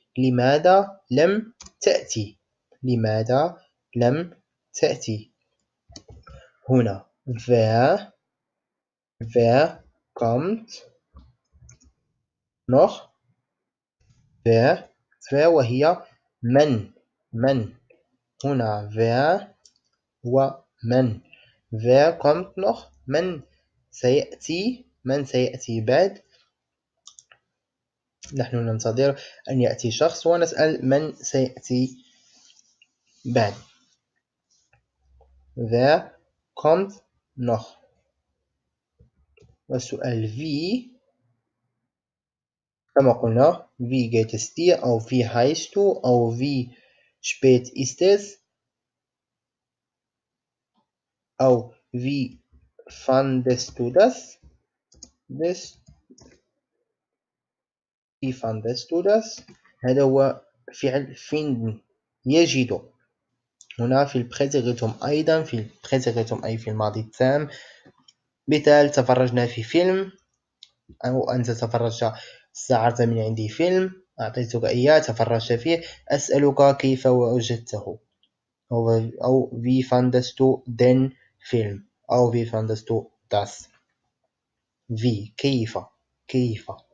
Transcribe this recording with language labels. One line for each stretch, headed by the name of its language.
Arabic: لماذا لم تأتي؟ لماذا لم تأتي؟ هنا
German: wer kommt noch
Arabic: wer وهي من هنا wer ومن wer kommt noch من سيأتي بعد. نحن ننتظر أن يأتي شخص ونسأل من سيأتي بعد.
German: wer kommt noch
Arabic: والسؤال في كما قلنا
German: wie geht es dir أو wie heißt du أو wie spät ist es أو wie fandest du das das wie fandest du das.
Arabic: هذا هو فعل finden يجد. هنا في البريتيريتوم أيضا، في البريتيريتوم أي في الماضي التام، مثال تفرجنا في فيلم أو أنت تفرجت استعرت من عندي فيلم أعطيتك إياه تفرجت فيه، أسألك كيف وجدته، أو في فاندست دن فيلم، أو في فاندست داس في كيف كيف.